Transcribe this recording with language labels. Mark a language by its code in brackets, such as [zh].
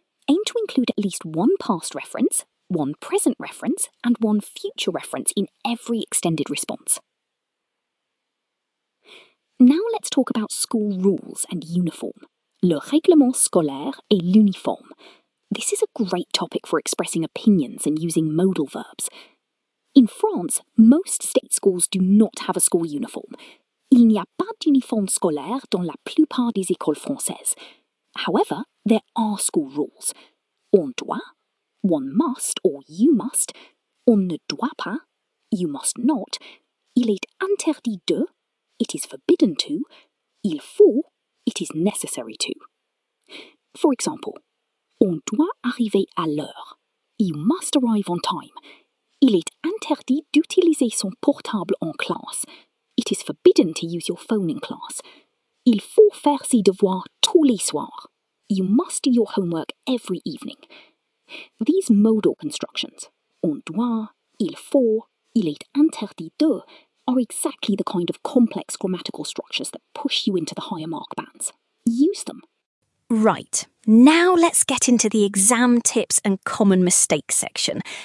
[en] Aim to include at least one past reference, one present reference, and one future reference in every extended response. Now let's talk about school rules and uniform. [fr] Le règlement scolaire et l'uniforme. [en] This is a great topic for expressing opinions and using modal verbs. In France, most state schools do not have a school uniform. [fr] Il n'y a pas d'uniforme scolaire dans la plupart des écoles françaises. [en] However, there are school rules. [fr] On doit, [en] one must or you must, [fr] on ne doit pas, [en] you must not, [fr] il est interdit de, [en] it is forbidden to, [fr] il faut, [en] it is necessary to. For example, [fr] on doit arriver à l'heure, [en] you must arrive on time, [fr] il est interdit d'utiliser son portable en classe, [en] it is forbidden to use your phone in class. [fr] Il faut faire ses devoirs tous les soirs. [en] You must do your homework every evening. These modal constructions, [fr] on doit, il faut, il est interdit de, [en] are exactly the kind of complex grammatical structures that push you into the higher mark bands. Use them. Right, now let's get into the exam tips and common mistakes section.